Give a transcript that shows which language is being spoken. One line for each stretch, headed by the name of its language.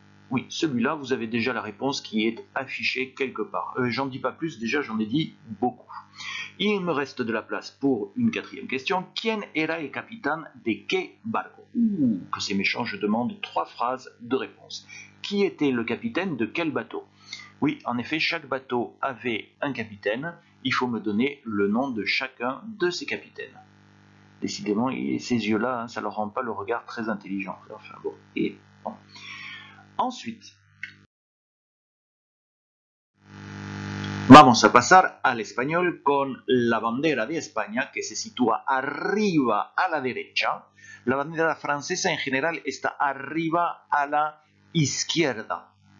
French: Oui, celui-là, vous avez déjà la réponse qui est affichée quelque part. J'en dis pas plus, déjà j'en ai dit beaucoup. Il me reste de la place pour une quatrième question.
Spanish: ¿Quién era el capitán de qué barco?
French: Ouh, que c'est méchant, je demande trois phrases de réponse. Qui était le capitaine de quel bateau? Oui, en effet, chaque bateau avait un capitaine. Il faut me donner le nom de chacun de ces capitaines. Décidément, ces yeux-là, hein, ça ne leur rend pas le regard très intelligent. Enfin bon, et bon.
Spanish: Ensuite, vamos a pasar al español con la bandera de España que se sitúa arriba a la derecha. La bandera francesa en general está arriba a la izquierda.